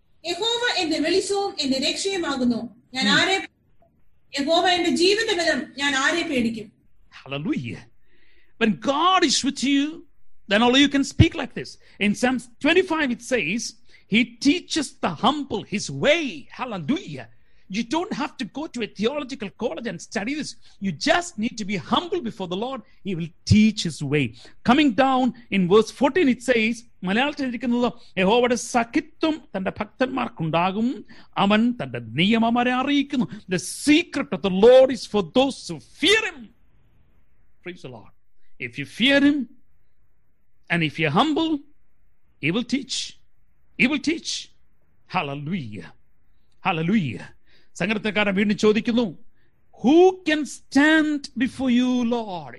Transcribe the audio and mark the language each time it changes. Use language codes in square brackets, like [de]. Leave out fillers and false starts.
[ml] യഹോവ എന്റെ വെളിച്ചവും എന്റെ രക്ഷയുമാകുന്നു, ഞാൻ ആരെ, യഹോവ എന്റെ ജീവന്റെ ബലം, ഞാൻ ആരെ പേടിക്കും. Hallelujah. [en] When God is with you, then only you can speak like this. In Psalms 25, it says, He teaches the humble His way. Hallelujah. You don't have to go to a theological college and study this. You just need to be humble before the Lord. He will teach His way. Coming down in verse 14, it says, [ml] മലയാളത്തിൽ ഇരിക്കുന്നത്, യഹോവയുടെ സഖിത്വം തന്റെ ഭക്തന്മാർക്കുണ്ടാകും, അവൻ തന്റെ നിയമം അവരെ അറിയിക്കുന്നു. [en] The secret of the Lord is for those who fear Him. Praise the Lord. If you fear Him, and if you're humble, He will teach. He will teach. Hallelujah. Hallelujah. Sangharathakara Bhirni Chodhikinu. Who can stand before you, Lord?